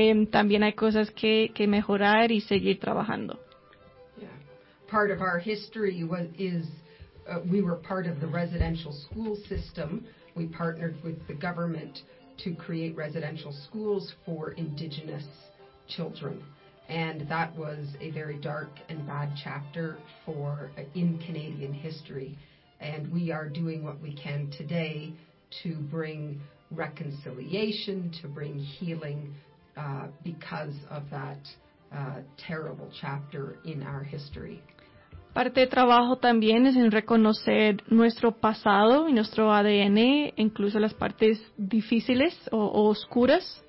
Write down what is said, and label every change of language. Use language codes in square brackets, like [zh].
[es] también hay cosas que mejorar y seguir trabajando. [en] Yeah. Part of our history we were part of the residential school system. We partnered with the government to create residential schools for Indigenous children. And that was a very dark and bad chapter in Canadian history. And we are doing what we can today to bring reconciliation, to bring healing because of that terrible chapter in our history. [es] Parte del trabajo también es en reconocer nuestro pasado y nuestro ADN, incluso las partes difíciles o oscuras.